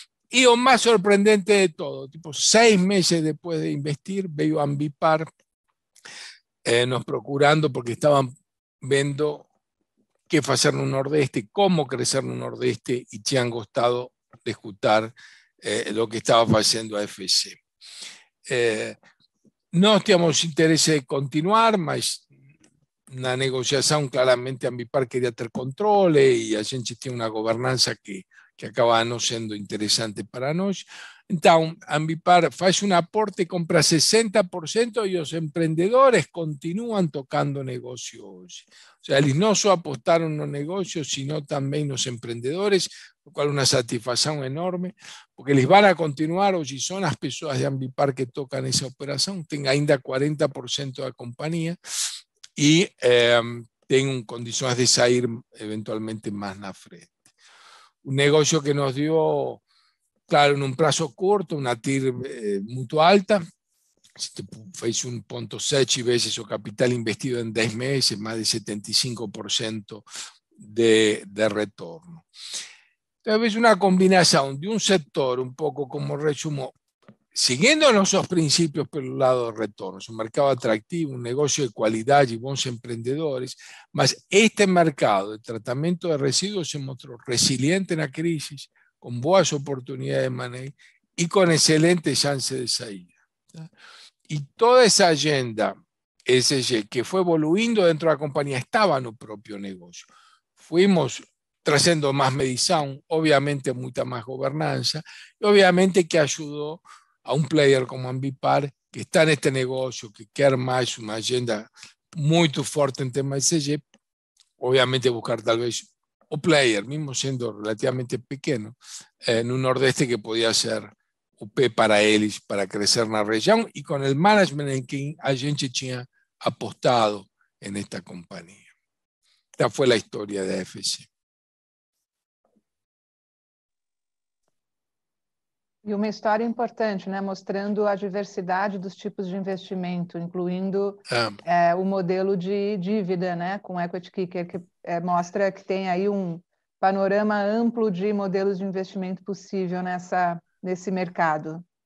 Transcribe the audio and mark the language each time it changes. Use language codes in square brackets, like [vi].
[es] Y lo más sorprendente de todo, tipo 6 meses después de invertir, veo a Ambipar [pt] nos procurando [es] porque estaban viendo qué hacer en el Nordeste, cómo crecer en el Nordeste y te han gustado de escuchar lo que estaba haciendo AFC. [pt] Nós tínhamos interesse de continuar, mas na negociação claramente a Ambipar queria ter controle e a gente tinha uma governança que acaba não sendo interessante para nós. Então, a Ambipar faz um aporte, compra 60% e os empreendedores continuam tocando negócio hoje. Ou seja, eles não só apostaram no negócio, sino também nos empreendedores, o qual é uma satisfação enorme, porque eles vão continuar, hoje são as pessoas de Ambipar que tocam essa operação, tem ainda 40% da companhia e tem condições de sair eventualmente mais na frente. Um negócio que nos deu, claro, num prazo curto, uma TIR muito alta, fez 1,7 vezes o capital investido em 10 meses, mais de 75% de retorno. Então, é uma combinação de um setor, um pouco como resumo, [es] siguiendo nuestros principios por el lado de retornos, un mercado atractivo, un negocio de calidad y buenos emprendedores, mas este mercado de tratamiento de residuos se mostró resiliente en la crisis, con buenas oportunidades de manejo y con excelentes chances de salida. Y toda esa agenda ESG que fue evoluyendo dentro de la compañía estaba en el propio negocio. Fuimos trayendo más medición, obviamente mucha más gobernanza, y obviamente que ayudó a un player como Ambipar, que está en este negocio, que quiere más una agenda muy fuerte en tema ESG, obviamente buscar tal vez un player, mismo siendo relativamente pequeño, en un nordeste que podía ser UP para ellos, para crecer en la región, y con el management en que [pt] a gente [es] tenía apostado en esta compañía. Esta fue la historia de AFC. [pt] E uma história importante, né? Mostrando a diversidade dos tipos de investimento, incluindo o modelo de dívida, né? Com equity kicker, que mostra que tem aí um panorama amplo de modelos de investimento possível nesse mercado.